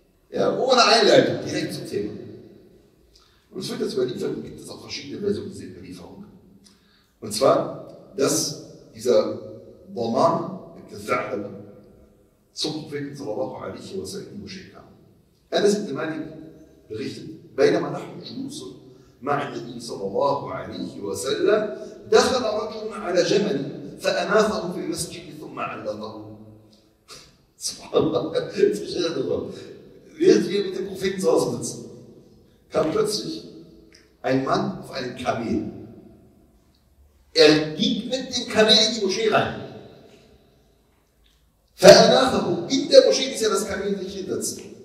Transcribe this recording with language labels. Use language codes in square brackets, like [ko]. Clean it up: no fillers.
[de] Ja, ohne Einleitung, direkt zum Thema. Und es wird jetzt überliefert, gibt es auch verschiedene Versionen dieser Überlieferung. Und zwar, dass dieser Boman, der Thalib, zum Propheten sallallahu alaihi wa sallam geschickt kam. Er hat es in meinem berichtet, [ar] بينما نحن جلوس مع النبي صلى الله عليه وسلم دخل رجل على جمل فأناثه في المسجد ثم علقه. سبحان الله, تخيل الله, [de] wir mit dem Propheten zu Hause sitzen, kam plötzlich ein Mann auf einem Kamel. Er ging mit dem Kamel in die Moschee rein. فأناثه, in der Moschee ist ja das Kamel nicht hinsetzen.